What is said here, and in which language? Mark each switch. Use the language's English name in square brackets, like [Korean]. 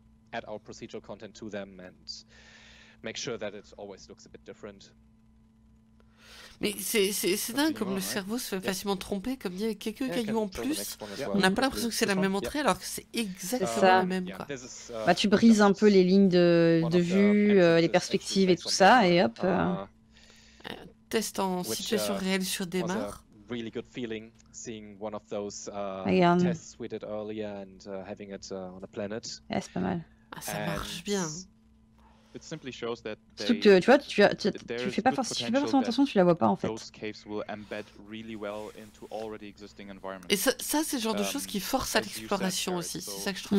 [English] Add our procedural content to them and make sure that it always looks a bit different. [French] Mais c'est dingue comme le cerveau se fait facilement tromper, comme il y a quelques cailloux en plus, on n'a pas l'impression que c'est la même entrée alors que c'est exactement la même. Quoi. Bah, tu brises un peu les lignes de vue, les perspectives et tout ça, et hop. Test en situation réelle sur démarre. [English] really good feeling seeing one of those tests we did earlier and having it on a planet. [French] Yeah, c'est pas mal. Ah, ça marche bien. [English] It simply shows that [French] they, tu vois, tu fais pas forcément attention, tu la vois pas en fait. [English] Those caves will embed really well into already existing environments. [French] Et ça c'est le genre de choses qui force à l'exploration aussi, c'est ça que je trouve.